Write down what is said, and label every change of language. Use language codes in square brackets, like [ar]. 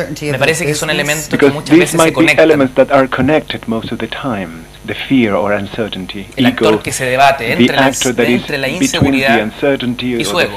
[es] Me parece que son elementos que muchas veces se conectan. [en] Because these elements that are connected most of the time, the fear or uncertainty, [es] el ego, actor que se debate entre la inseguridad y su ego,